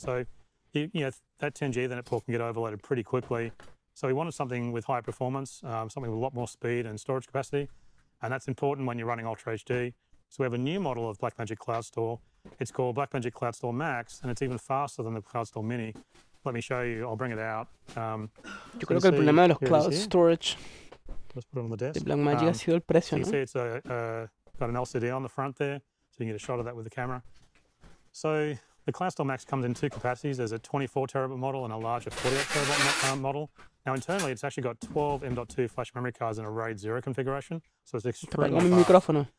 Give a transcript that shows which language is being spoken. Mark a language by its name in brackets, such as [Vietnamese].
[English] So that 10G Ethernet port can get overloaded pretty quickly. So we wanted something with high performance, something with a lot more speed and storage capacity. And that's important when you're running Ultra HD. So we have a new model of Blackmagic Cloud Store. It's called Blackmagic Cloud Store Max, and it's even faster than the Cloud Store Mini. Let me show you, I'll bring it out. [Spanish] Yo creo que el problema de los cloud storage de Blackmagic ha sido el precio, ¿no? [English] You see it's got an LCD on the front there, so you can get a shot of that with the camera. So the Cloud Store Max comes in two capacities. There's a 24 terabyte model and a larger 48 terabyte model. Now internally, it's actually got 12 M.2 flash memory cards in a RAID 0 configuration, so it's extremely fast.